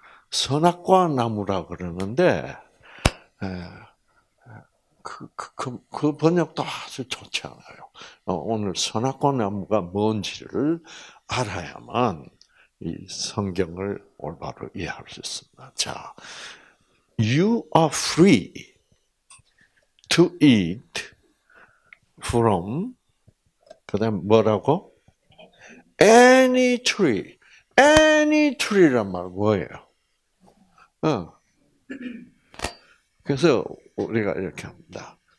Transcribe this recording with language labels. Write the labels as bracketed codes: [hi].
[ko] 선악과 나무라 그러는데, 그 번역도 아주 좋지 않아요. 오늘 선악과 나무가 뭔지를 알아야만 이 성경을 올바로 이해할 수 있습니다. 자, [en] you are free to eat from, [ko] 그 다음 뭐라고? [en] Any tree. Any tree [ko] 란 말 뭐예요? 그래서 우리가 이렇게 합니다.